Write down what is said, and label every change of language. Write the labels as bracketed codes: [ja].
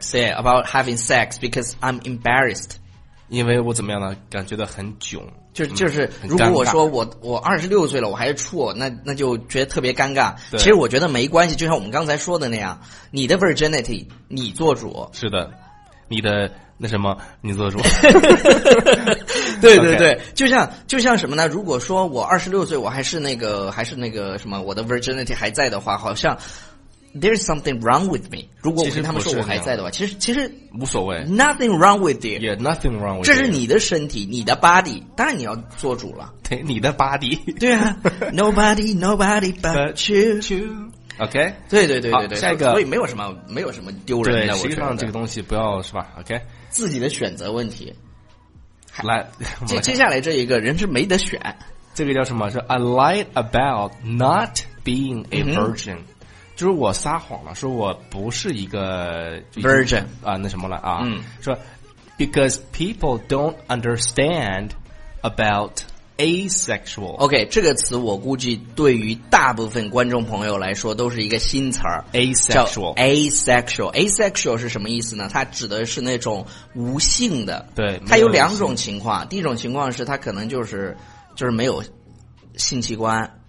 [en] say about having sex because I'm embarrassed， [zh] 因为我怎么样呢，感觉到很囧，就是如果我说我26岁了我还处，那就觉得特别尴尬，对，其实我觉得没关系，就像我们刚才说的那样，你的 virginity 你做主，是的，你的那什么你做主对对对、 [en] okay. [zh] 就像什么呢，如果说我26岁我还是那个什么我的 virginity 还在的话，好像 [en] there's something wrong with me， [zh] 如果我跟他们说我还在的话，其实无所谓， [en] nothing wrong with you， yeah， nothing wrong with you， [zh] 这是你的身体，你的 body， 当然你要做主了，对，你的 body， [en] 对啊， nobody but you， OK， [zh] 对对对对对，下一个，所以没有什么丢人的，对，实际上这个东西不要是吧 ？OK，自己的选择问题。来，接下来这一个人是没得选，这个叫什么？是 [en] I lied about not being a virgin，、 [zh] 嗯、就是我撒谎了，说我不是一个 [en] virgin [zh] 啊，那什么了啊？嗯， [en] 说 because people don't understand about。 Asexual， [zh] OK， 这个词我估计对于大部分观众朋友来说都是一个新词儿。 [en] Asexual， [zh] Asexual 是什么意思呢？它指的是那种无性的。对，它有两种情况。第一种情况是它可能就是没有性器官。